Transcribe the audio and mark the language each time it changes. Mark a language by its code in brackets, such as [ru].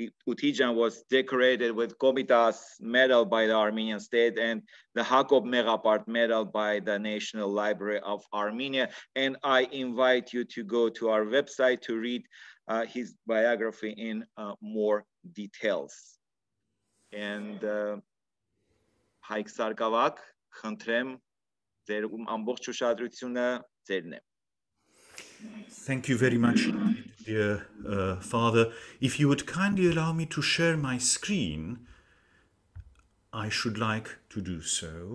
[en] Utidjian was decorated with Komitas Medal by the Armenian state and the Hakob Megapart Medal by the National Library of Armenia. And I invite you to go to our website to read his biography in more details. [hy] And Haig Sarkavak, khntrem ձեր ամբողջ ուշադրությունը ձերն է. [en] Thank you very much, dear Father. If you would kindly allow me to share my screen, I should like to do so.